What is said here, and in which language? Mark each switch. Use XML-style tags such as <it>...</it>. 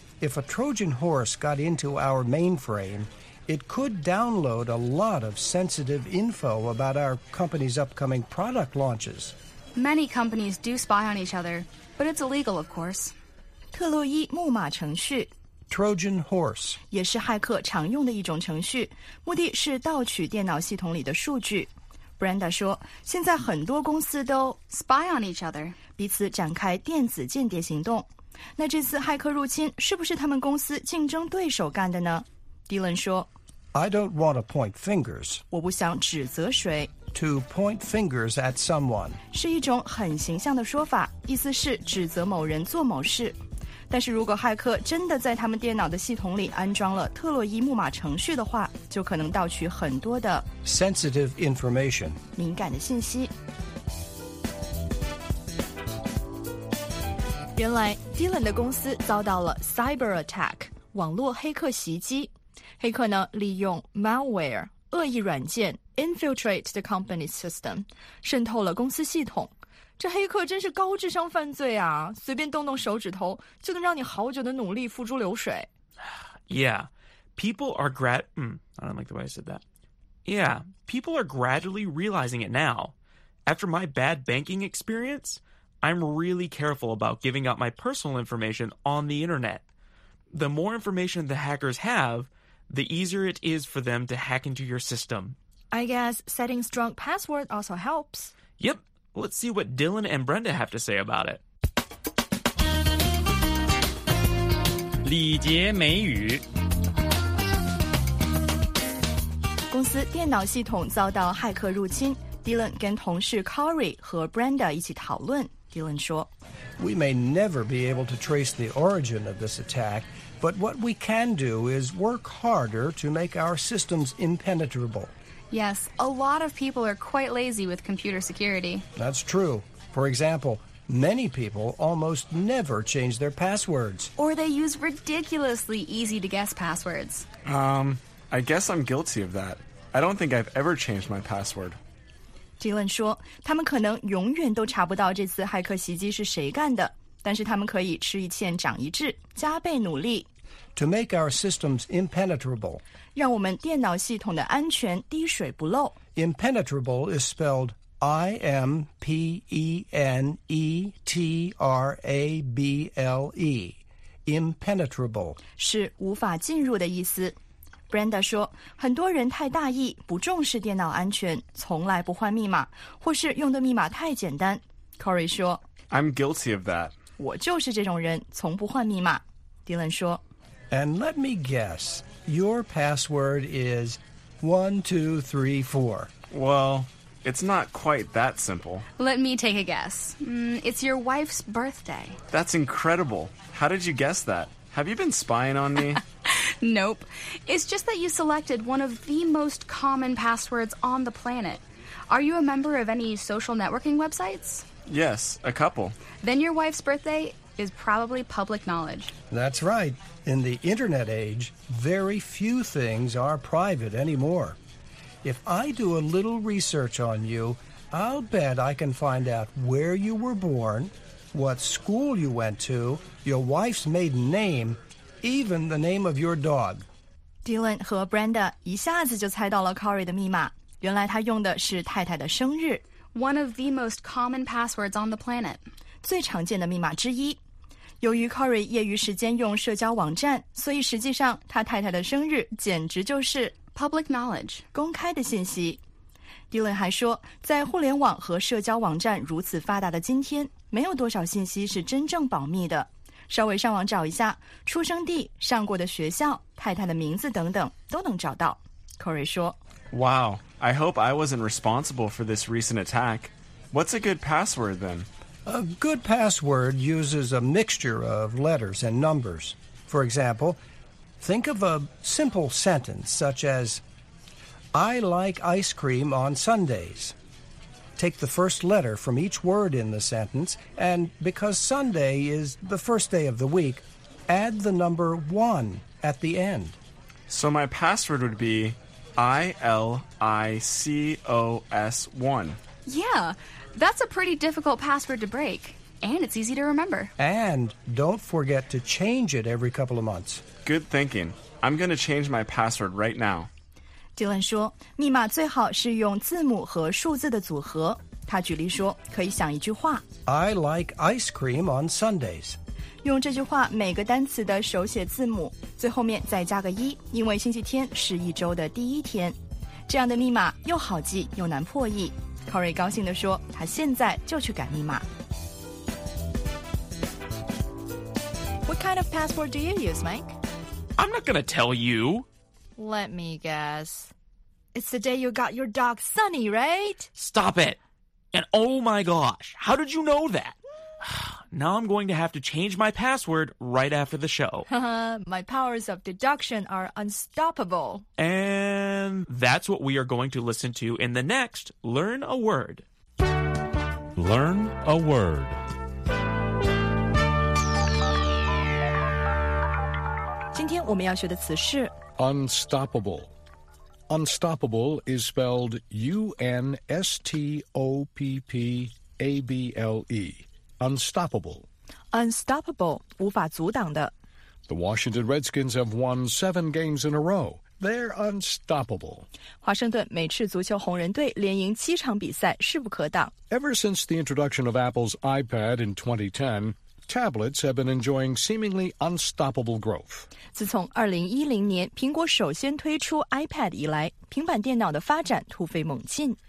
<en>If a Trojan horse got into our mainframe, it could download a lot of sensitive info about our company's upcoming product launches. Many companies do spy on each other, but it's illegal, of course.</en> <zh>特洛伊木马程序</zh> <en>Trojan horse</en> <zh>也是骇客常用的一种程序，目的是盗取电脑系统里的数据。 Brenda 说，现在很多公司都</zh> <en>spy on each other,</en> <zh>彼此展开电子间谍行动。那这次骇客入侵是不是他们公司竞争对手干的呢？ Dylan 说</zh> <en>I don't want to point fingers.</en> <zh>我不想指责谁。</zh> <en>To point fingers at someone</en> <zh>是一种很形象的说法，意思是指责某人做某事。但是如果骇客真的在他们电脑的系统里安装了特洛伊木马程序的话，就可能盗取很多的</zh> <en>sensitive information</en> <zh>敏感的信息。原来 Dylan 的公司遭到了</zh> <en>cyber attack</en> <zh>网络黑客袭击，黑客呢利用 malware 恶意软件</zh> <en>infiltrate the company system</en> <zh>渗透了公司系统。这黑客真是高智商犯罪啊，随便动动手指头就能让你好久的努力付诸流水。</zh> <en>Yeah, people are I don't like the way I said that. Yeah, people are gradually realizing it now. After my bad banking experience,I'm really careful about giving out my personal information on the internet. The more information the hackers have, the easier it is for them to hack into your system. I guess setting strong passwords also helps. Yep. Let's see what Dylan and Brenda have to say about it.</en> <zh>礼节美语。公司电脑系统遭到骇客入侵， Dylan 跟同事 Corey 和 Brenda 一起讨论。 Dylan 说</zh> <en>We may never be able to trace the origin of this attack, but what we can do is work harder to make our systems impenetrable. Yes, a lot of people are quite lazy with computer security. That's true. For example, many people almost never change their passwords. Or they use ridiculously easy-to-guess passwords. I guess I'm guilty of that. I don't think I've ever changed my password.</en> <zh>Dylan 说，他们可能永远都查不到这次骇客袭击是谁干的，但是他们可以吃一堑长一智，加倍努力。</zh> <en>To make our systems impenetrable.</en> <zh>让我们电脑系统的安全滴水不漏。</zh> <en>Impenetrable is spelled I-M-P-E-N-E-T-R-A-B-L-E. Impenetrable.</en> <zh>是无法进入的意思。 Brenda 说，很多人太大意，不重视电脑安全，从来不换密码，或是用的密码太简单。 Corey 说</zh> <en>I'm guilty of that.</en> <zh>我就是这种人，从不换密码。 Dylan 说</zh> <en>And let me guess, your password is 1234. Well, it's not quite that simple. Let me take a guess. It's your wife's birthday. That's incredible. How did you guess that? Have you been spying on me? Nope. It's just that you selected one of the most common passwords on the planet. Are you a member of any social networking websites? Yes, a couple. Then your wife's birthday is probably public knowledge. That's right. In the internet age, very few things are private anymore. If I do a little research on you, I'll bet I can find out where you were born, what school you went to, your wife's maiden name, even the name of your dog.</en> <zh>Dylan 和 Brenda 一下子就猜到了 Corey 的密码，原来他用的是太太的生日。</zh> <en>One of the most common passwords on the planet.</en> <zh>最常见的密码之一。由于 Corey 业余时间用社交网站，所以实际上他太太的生日简直就是</zh> <en>public knowledge,</en> <zh>公开的信息。 Dylan 还说，在互联网和社交网站如此发达的今天，没有多少信息是真正保密的。稍微上网找一下，出生地、上过的学校、太太的名字等等，都能找到。 Corey 说</zh> <en>，Wow, I hope I wasn't responsible for this recent attack. What's a good password then? A good password uses a mixture of letters and numbers. For example, think of a simple sentence such as, I like ice cream on Sundays. Take the first letter from each word in the sentence, and because Sunday is the first day of the week, add the number 1 at the end. So my password would be ILICOS1. Yeah, that's a pretty difficult password to break, and it's easy to remember. And don't forget to change it every couple of months. Good thinking. I'm going to change my password right now.</en> <zh>Dylan 说，密码最好是用字母和数字的组合。他举例说，可以想一句话</zh> <en>I like ice cream on Sundays.</en> <zh>用这句话每个单词的首写字母，最后面再加个一，因为星期天是一周的第一天。这样的密码又好记又难破译。Corey 高兴地说，他现在就去改密码。</zh> <en>What kind of password do you use, Mike? I'm not gonna tell you. Let me guess. It's the day you got your dog Sunny, right? Stop it! And oh my gosh, how did you know that? Now I'm going to have to change my password right after the show. My powers of deduction are unstoppable. And that's what we are going to listen to in the next Learn a Word. Learn a Word.</en> <zh>今天我们要学的词是</zh> <en>unstoppable. Unstoppable is spelled U-N-S-T-O-P-P-A-B-L-E. Unstoppable.</en> <zh>Unstoppable, 无法阻挡的。</zh> <en>The Washington Redskins have won 7 games in a row. They're unstoppable.</en> <zh>华盛顿美式足球红人队连赢七场比赛势不可挡。</zh> <en>Ever since the introduction of Apple's iPad in 2010,Tablets have been enjoying seemingly unstoppable growth.</en> <zh>自从2010年苹果首先推出 iPad 以来，平板电脑的发展突飞猛进。</zh>